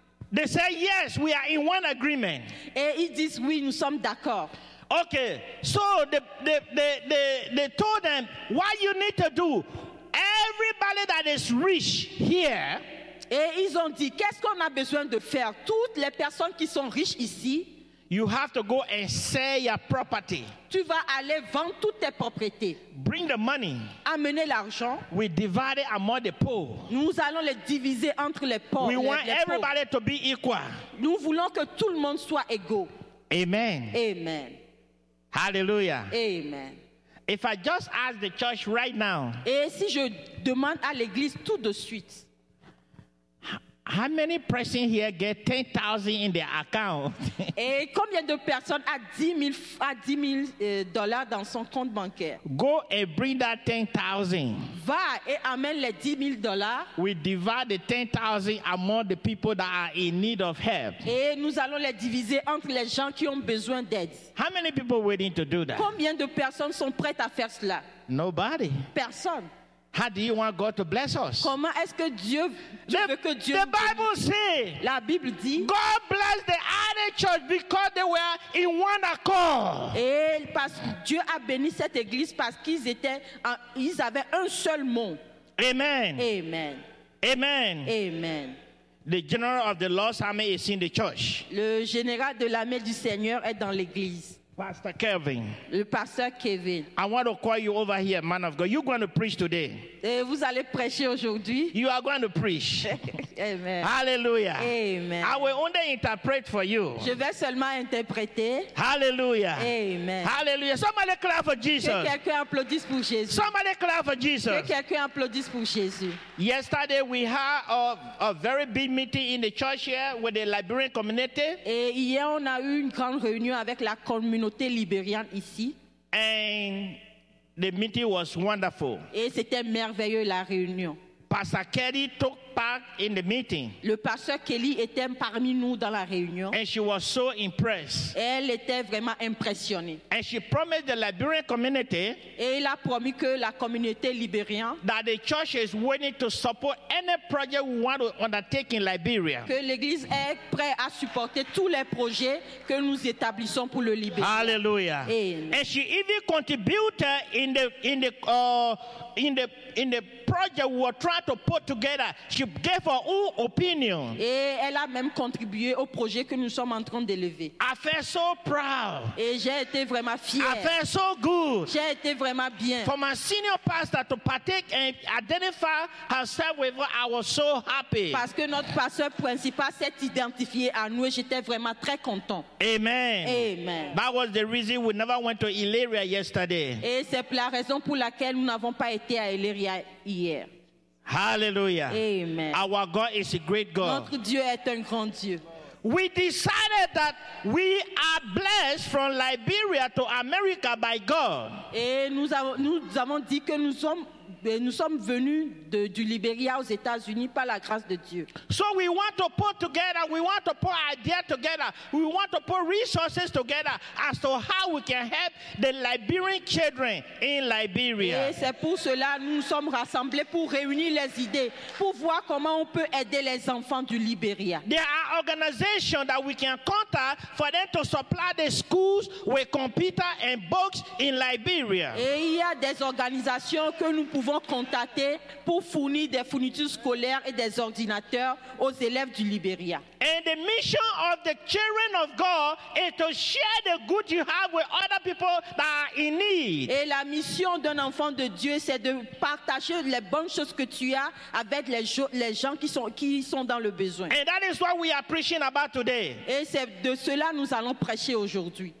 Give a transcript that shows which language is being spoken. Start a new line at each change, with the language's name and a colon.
English: they say yes, we are in one agreement.
French: Et ils disent oui, nous sommes d'accord.
English: Okay. So they told them what you need to do. Everybody that is rich here.
French: Et ils ont dit, qu'est-ce qu'on a besoin de faire? Toutes les personnes qui sont riches ici,
English: you have to go and sell your property.
French: Tu vas aller vendre toutes tes propriétés.
English: Bring the money.
French: Amener l'argent.
English: We divide it among the poor.
French: Nous allons les diviser entre les pauvres.
English: We want everybody to be equal.
French: Nous voulons que tout le monde soit égaux. Amen. Amen. Hallelujah. Amen.
English: If I just ask the church right now.
French: Et si je demande à l'église tout de suite.
English: How many person here get 10,000 in their account?
French: Et combien de personnes a 10 000 dollars dans son compte bancaire?
English: Go and bring that 10,000.
French: Va et amène les 10 000 dollars.
English: We divide the 10,000 among the people that are in need of help.
French: Et nous allons les diviser entre les gens qui ont besoin d'aide.
English: How many people willing to do that?
French: Combien de personnes sont prêtes à faire cela?
English: Nobody.
French: Personne.
English: How do you want God to bless us?
French: Comment est-ce que Dieu veut que Dieu?
English: The Bible says.
French: La Bible dit.
English: God bless the early church because they were in one accord.
French: Et parce que Dieu a béni cette église parce qu'ils étaient, ils avaient un seul mot. Amen. Amen. Amen. Amen.
English: The general of the Lord's army is in the church.
French: Le général de l'armée du Seigneur est dans l'église.
English: Pastor Kevin.
French: Le pasteur Kevin.
English: I want to call you over here, man of God. You're going to preach today.
French: Et vous allez prêcher aujourd'hui.
English: You are going to preach. Amen. Hallelujah. Amen. I will only interpret for you.
French: Je vais seulement interpréter. Hallelujah. Amen.
English: Hallelujah. Somebody clap for Jesus.
French: Que quelqu'un applaudisse pour Jésus.
English: Somebody clap for Jesus.
French: Que quelqu'un applaudisse pour Jésus.
English: Yesterday we had a very big meeting in the church here with the Liberian community.
French: Et hier on a eu une grande réunion avec la communauté libérienne ici.
English: And the meeting was wonderful.
French: Et c'était merveilleux la réunion.
English: Pastor Kelly took part in the meeting.
French: Le pasteur Kelly était parmi nous dans la réunion.
English: And she was so impressed.
French: Elle était vraiment impressionnée.
English: And she promised the Liberian community.
French: Et il a promis que la communauté libérienne.
English: That the church is willing to support any project we want to undertake in Liberia.
French: Que l'église est prête à supporter tous les projets que nous établissons pour le Libéria. Hallelujah. Amen.
English: And she even contributed in the project we were trying to put together. She gave her own opinion.
French: Et elle a même contribué au projet que nous sommes en train d'élever.
English: I felt so proud.
French: Et j'ai été vraiment fier.
English: I felt so good.
French: J'ai été vraiment bien.
English: For my senior pastor to partake and identify herself with her, I was so happy.
French: Parce que notre pasteur principal s'est identifié à nous et j'étais vraiment très content. Amen. Amen.
English: That was the reason we never went to Elyria yesterday.
French: Et c'est la raison pour laquelle nous n'avons pas été à Elyria hier. Hallelujah. Amen.
English: Our God is a great God.
French: Notre Dieu est un grand Dieu.
English: We decided that we are blessed from Liberia to America by God.
French: Et nous avons dit que nous sommes venus du Liberia aux États-Unis par la grâce de Dieu.
English: So we want to put together, we want to put ideas together, we want to put resources together as to how we can help the Liberian children in Liberia.
French: Et c'est pour cela nous sommes rassemblés pour réunir les idées, pour voir comment on peut aider les enfants du Liberia.
English: There are organizations that we can contact for them to supply the schools with computers and books in Liberia.
French: Et il y a des organisations que nous pouvons contacter pour fournir des fournitures scolaires et des ordinateurs aux élèves du Liberia.
English: And the mission of the children of God is to share the good you have with other people that are in need.
French: Et la mission d'un enfant de Dieu, c'est de partager les bonnes choses que tu as avec les gens qui sont dans le besoin.
English: And that is what we are preaching about today.
French: Et c'est de cela nous allons prêcher aujourd'hui.